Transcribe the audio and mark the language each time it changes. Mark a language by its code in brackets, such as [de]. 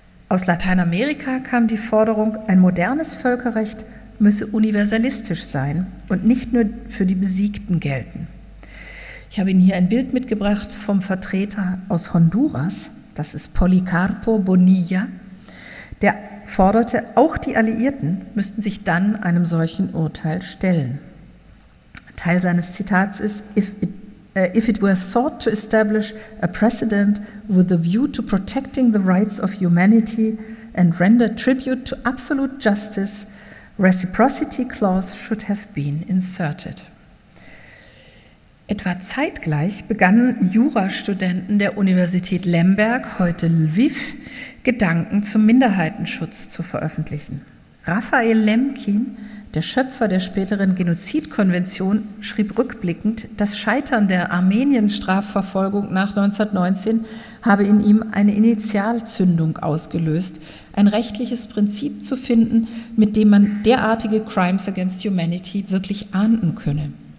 [de] Aus Lateinamerika kam die Forderung, ein modernes Völkerrecht müsse universalistisch sein und nicht nur für die Besiegten gelten. Ich habe Ihnen hier ein Bild mitgebracht vom Vertreter aus Honduras, das ist Policarpo Bonilla, der forderte, auch die Alliierten müssten sich dann einem solchen Urteil stellen. Teil seines Zitats ist, [en] if it were sought to establish a precedent with a view to protecting the rights of humanity and render tribute to absolute justice, reciprocity clause should have been inserted. [de] Etwa zeitgleich begannen Jurastudenten der Universität Lemberg, heute Lviv, Gedanken zum Minderheitenschutz zu veröffentlichen. Raphael Lemkin, der Schöpfer der späteren Genozidkonvention, schrieb rückblickend, das Scheitern der Armenienstrafverfolgung nach 1919 habe in ihm eine Initialzündung ausgelöst, ein rechtliches Prinzip zu finden, mit dem man derartige Crimes Against Humanity wirklich ahnden könne.